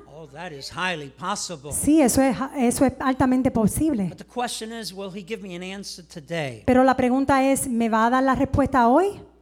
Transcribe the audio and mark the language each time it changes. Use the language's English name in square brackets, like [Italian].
[English] Oh, that is highly possible. [Spanish] Sí, eso es altamente posible. [English] But the question is, will he give me an answer today? [Spanish] Pero la pregunta es, ¿me va a dar la respuesta hoy?